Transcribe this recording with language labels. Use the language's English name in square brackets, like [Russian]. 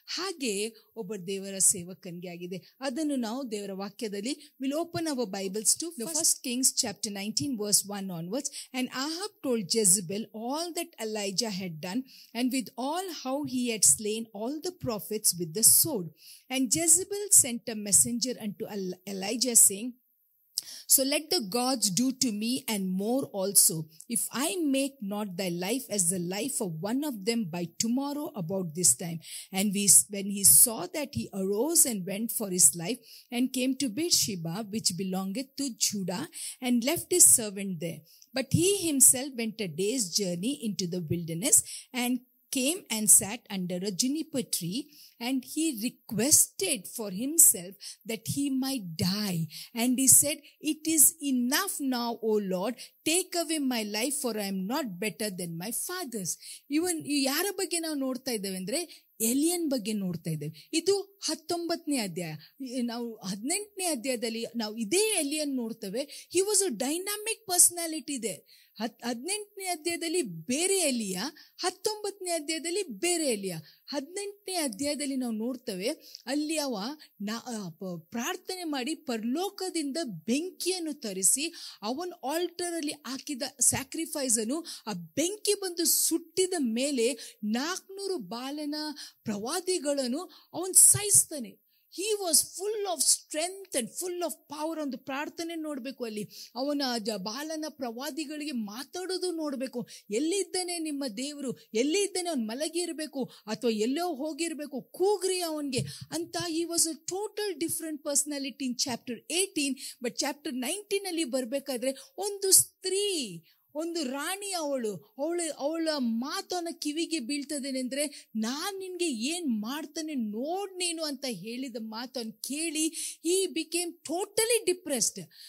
[Kannada] ಹಾಗೆ ಒಬ್ಬ ದೇವರ ಸೇವಕನಿಗೆ ಆಗಿದೆ. ಅದನ್ನು ನಾವು ದೇವರ ವಾಕ್ಯದಲ್ಲಿ, [English] Will open our Bibles to First Kings chapter 19:1 onwards. And Ahab told Jezebel all that Elijah had done and with all how he had slain all the prophets with the sword. And Jezebel sent a messenger unto Elijah saying, So let the gods do to me and more also, if I make not thy life as the life of one of them by tomorrow about this time. And when he saw that, he arose and went for his life and came to Beersheba, which belongeth to Judah, and left his servant there. But he himself went a day's journey into the wilderness and came and sat under a juniper tree, and he requested for himself that he might die. And he said, it is enough now, O Lord, take away my life, for I am not better than my fathers. [Kannada] Even yara bagge na nortta idave andre alien ಬಗ್ಗೆ ನೋಡ್ತಾ ಇದ್ದೇವೆ. ಇದು 19ನೇ ಅಧ್ಯಾಯ. ನಾವು 18ನೇ ಅಧ್ಯಾಯದಲ್ಲಿ ನಾವು ಇದೇ alien ನೋಡ್ತೇವೆ. [English] he was a dynamic personality [Kannada] ಇದೆ. 18ನೇ ಅಧ್ಯಾಯದಲ್ಲಿ ಬೇರೆ ಎಲಿಯ, 19ನೇ ಅಧ್ಯಾಯದಲ್ಲಿ ಬೇರೆ ಎಲಿಯ. 18ನೇ ಅಧ್ಯಾಯದಲ್ಲಿ ನಾವು ನೋಡ್ತೇವೆ, ಅಲ್ಲಿ ಅವ ಪ್ರಾರ್ಥನೆ ಮಾಡಿ ಪರಲೋಕದಿಂದ ಬೆಂಕಿಯನ್ನು ತರಿಸಿ ಅವನ ಆಲ್ಟರ್ ಅಲ್ಲಿ ಹಾಕಿದ ಸ್ಯಾಕ್ರಿಫೈಸ್ ಅನ್ನು ಆ ಬೆಂಕಿ ಬಂದು ಸುಟ್ಟಿದ ಮೇಲೆ 400 ಬಾಲನ ಪ್ರವಾದಿಗಳನ್ನು ಅವನು ಸಹಿಸ್ತಾನೆ. [English] He was full of strength and full of power. [Kannada] ಒಂದು ಪ್ರಾರ್ಥನೆ ನೋಡಬೇಕು ಅಲ್ಲಿ. ಅವನ ಬಾಲನ ಪ್ರವಾದಿಗಳಿಗೆ ಮಾತಾಡೋದು ನೋಡಬೇಕು. ಎಲ್ಲಿದ್ದಾನೆ ನಿಮ್ಮ ದೇವರು? ಎಲ್ಲಿದ್ದಾನೆ? ಅವನು ಮಲಗಿರಬೇಕು ಅಥವಾ ಎಲ್ಲೋ ಹೋಗಿರಬೇಕು? ಕೂಗ್ರಿ ಅವನಿಗೆ ಅಂತ. [English] He was a total different personality in chapter 18. [Kannada] But chapter 19 ಅಲ್ಲಿ ಬರಬೇಕಾದ್ರೆ ಒಂದು ಸ್ತ್ರೀ, ಒಂದು ರಾಣಿ, ಅವಳ ಮಾತು ಅವನ ಕಿವಿಗೆ ಬೀಳ್ತದೇನೆ ಅಂದರೆ, ನಾನು ನಿನಗೆ ಏನು ಮಾಡ್ತಾನೆ ನೋಡ್ ನೀನು ಅಂತ ಹೇಳಿದ ಮಾತನ್ನು ಕೇಳಿ [English] He became totally depressed.